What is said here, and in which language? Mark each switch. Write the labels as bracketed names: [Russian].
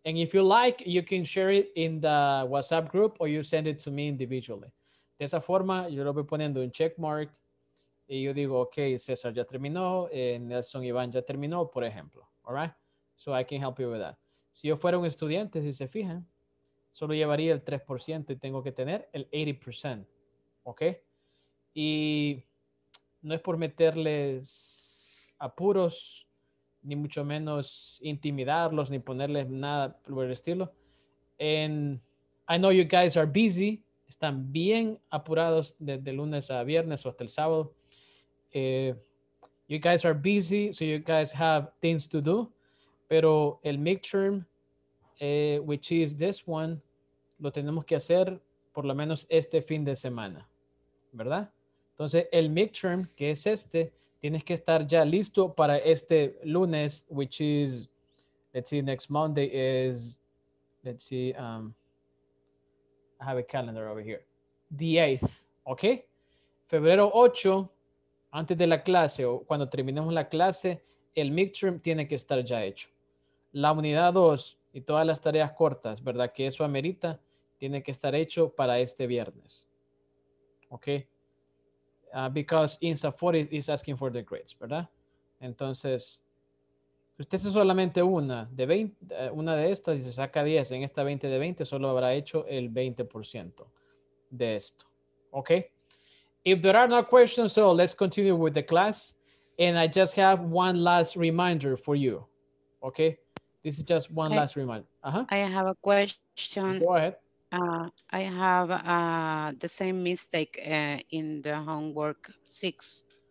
[English] And if you like, you can share it in the WhatsApp group or you send it to me individually. [Spanish] De esa forma, yo lo voy poniendo un check mark y yo digo, okay, César ya terminó, Nelson Iván ya terminó, por ejemplo. All right? [English] So I can help you with that. [Spanish] Si yo fuera un estudiante, si se fijan, solo llevaría el 3% y tengo que tener el 80%. Okay? Y no es por meterles apuros, ni mucho menos intimidarlos, ni ponerles nada por el estilo. [English] And I know you guys are busy. [Spanish] Están bien apurados desde lunes a viernes o hasta el sábado. [English] You guys are busy, so you guys have things to do. [Spanish] Pero el midterm, [English] which is this one, [Spanish] lo tenemos que hacer por lo menos este fin de semana. ¿Verdad? Entonces, el midterm, que es este, tienes que estar ya listo para este lunes, [English] which is, let's see, next Monday is, let's see, I have a calendar over here. The 8th, okay? [Spanish] Febrero 8, antes de la clase, o cuando terminemos la clase, el midterm tiene que estar ya hecho. La unidad 2 y todas las tareas cortas, ¿verdad? Que eso amerita, tiene que estar hecho para este viernes, okay? [English] Because INSAFORP is asking for the grades, [Spanish] ¿verdad? Entonces, usted es solamente una de 20, una de estas y se saca 10, en esta 20 de 20 solo habrá hecho el 20% de esto, ¿ok? [English] If there are no questions, so let's continue with the class. And I just have one last reminder for you, ¿ok? This is just one last reminder. Uh-huh. I have a question. Go ahead. I have the same mistake in the homework 6.